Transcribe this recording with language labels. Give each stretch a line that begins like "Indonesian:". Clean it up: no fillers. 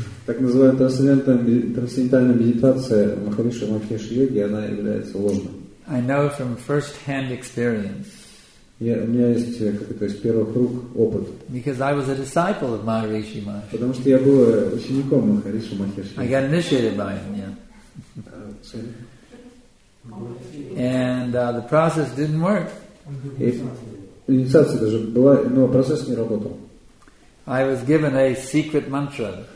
Russian: Так называемая трансцендентальная медитация Махариши Махеш Йоги, она является ложной.
English: I know from first-hand experience.
Russian: У меня есть какой-то из первых рук опыт.
English: Because I was a disciple of Maharishi Mahesh.
Russian: Потому что я был учеником Махариши Махеш.
English: I got initiated by him, yeah. And the process didn't work.
Russian: Инициация даже была, но процесс не работал.
English: I was given a secret mantra.